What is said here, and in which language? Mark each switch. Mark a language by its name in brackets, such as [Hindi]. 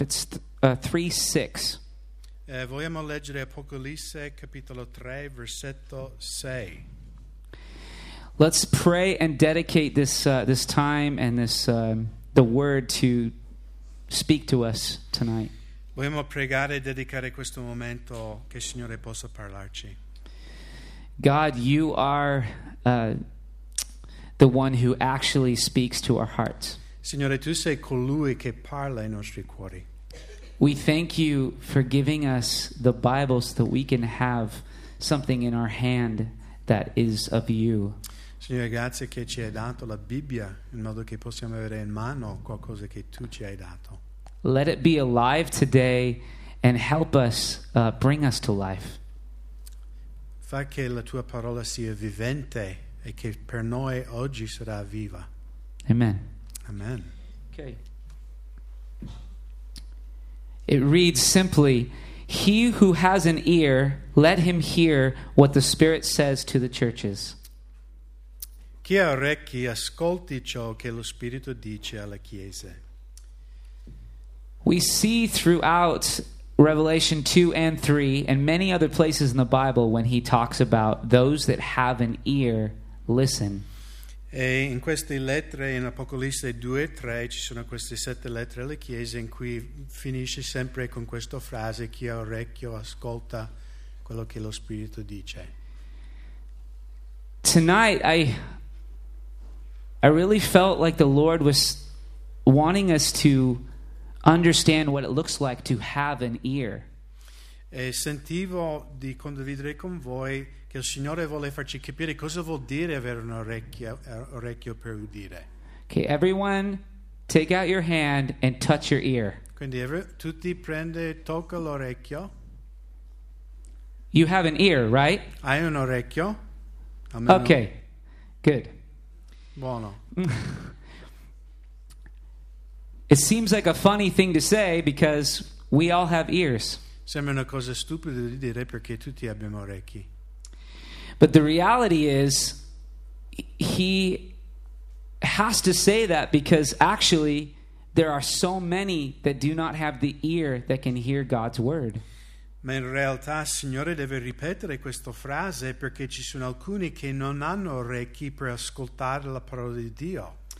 [English] It's 3:6. [Italian] Vogliamo leggere Apocalisse capitolo 3 versetto 6. [English] Let's pray and dedicate this time and this the word to speak to us tonight. [Italian] Vogliamo pregare e dedicare questo momento che il Signore possa parlarci. [English] God, you are the one who actually speaks to our hearts. [Italian] Signore, tu sei colui che parla ai nostri cuori. [English] We thank you for giving us the Bible so that we can have something in our hand that is of you. [Italian] Signore, grazie che ci hai dato la Bibbia in modo che possiamo avere in mano qualcosa che tu ci hai dato. [English] Let it be alive today and help us, bring us to life. [Italian] Fa che la tua parola sia vivente e che per noi oggi sarà viva. [English] Amen. [Italian] Amen. [English] Okay. It reads simply, "He who has an ear, let him hear what the Spirit says to the churches." [Italian] Chi ha orecchi, ascolti ciò che lo Spirito dice alle chiese. [English] We see throughout Revelation 2 and 3 and many other places in the Bible when he talks about those that have an ear, listen. [Italian] E in queste lettere, in Apocalisse 2 e 3, ci sono queste sette lettere alle chiese in cui finisce sempre con questa frase, chi ha orecchio ascolta quello che lo Spirito dice. [English] Tonight, I really felt like the Lord was wanting us to understand what it looks like to have an ear. [Italian] E sentivo di condividere con voi che il Signore vuole farci capire cosa vuol dire avere un orecchio per udire. [English] Okay, everyone, take out your hand and touch your ear. [Italian] Quindi tutti prende tocca l'orecchio. [English] You have an ear, right? [Italian] Hai un orecchio. [English] Okay, good. [Italian] Buono. [English] It seems like a funny thing to say because we all have ears. [Italian] Sembra una cosa stupida di dire perché tutti abbiamo orecchi. [English] But the reality is, he has to say that because actually there are so many that do not have the ear that can hear God's word. [Italian] Ma in realtà il Signore deve ripetere questa frase perché ci sono alcuni che non hanno orecchi per ascoltare la parola di Dio.